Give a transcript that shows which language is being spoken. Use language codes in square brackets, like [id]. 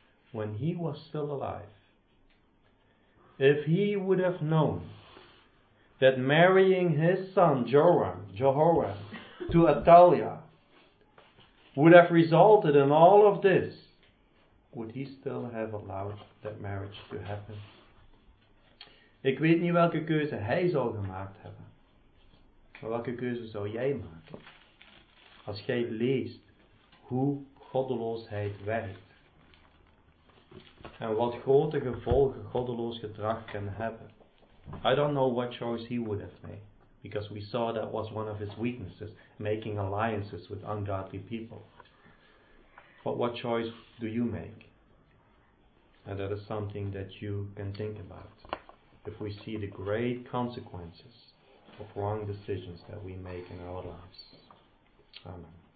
[en] When he was still alive, if he would have known that marrying his son Jehoram to Athaliah would have resulted in all of this, would he still have allowed that marriage to happen? [nl] Ik weet niet welke keuze hij zou gemaakt hebben. Maar welke keuze zou jij maken? Als jij leest hoe goddeloosheid werkt. En wat grote gevolgen goddeloos gedrag kan hebben. [en] I don't know what choice he would have made. Because we saw that was one of his weaknesses. Making alliances with ungodly people. But what choice do you make? And that is something that you can think about. If we see the great consequences of wrong decisions that we make in our lives. Amen.